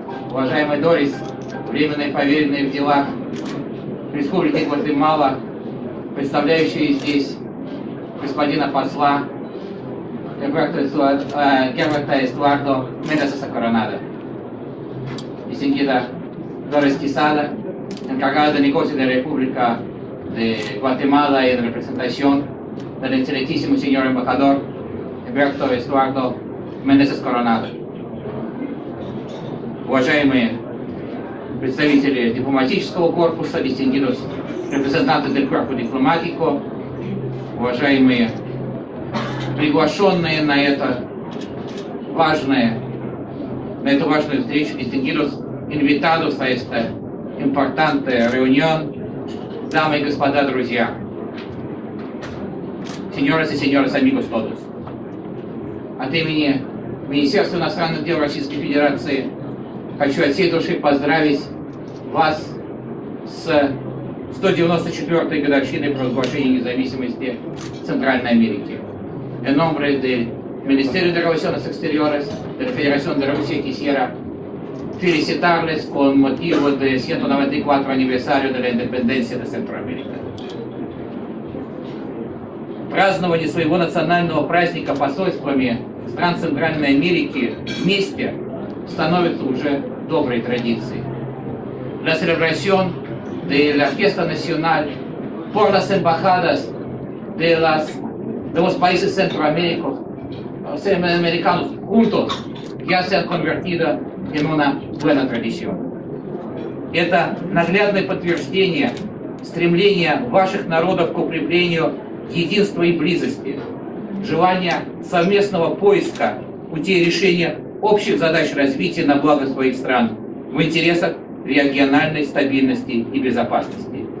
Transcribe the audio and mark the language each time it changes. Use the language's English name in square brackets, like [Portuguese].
[Russian] Уважаемая Дорис, временная поверенная в делах Республики Гватемала, представляющая здесь господина посла Герберта Эстуардо Менесеса Коронадо. [Spanish] Дистингида Дорис Кисада, encargada de negocios de la República de Guatemala y en representación del excelentísimo señor embajador Герберто Эстуардо Менесес Коронадо. [Russian] Уважаемые представители дипломатического корпуса, [Spanish] дистингидос, репрезентанты дель корпу дипломатико, [Russian] уважаемые приглашенные на это важное, на эту важную встречу, [Spanish] дистингидос, инвитадос, а это импортанте реунион, [Russian] дамы и господа, друзья, [Spanish] сеньорес и сеньорес, амигос тодос. [Russian] От имени Министерства иностранных дел Российской Федерации хочу от всей души поздравить вас с 194-й годовщиной провозглашения независимости Центральной Америки. [Spanish] En nombre del Ministerio de Relaciones Exteriores de la Federación de Rusia quisiera felicitarles con motivo del 194 aniversario de la independencia de Центроамерики. [Russian] Празднование своего национального праздника посольствами стран Центральной Америки вместе становится уже доброй традиции. [Spanish] La celebración de la fiesta nacional por las embajadas de los países centroamericanos juntos ya se ha convertido en una buena tradición. [Russian] Это наглядное подтверждение стремления ваших народов к укреплению единства и близости, желания совместного поиска путей решения общих задач развития на благо своих стран в интересах региональной стабильности и безопасности.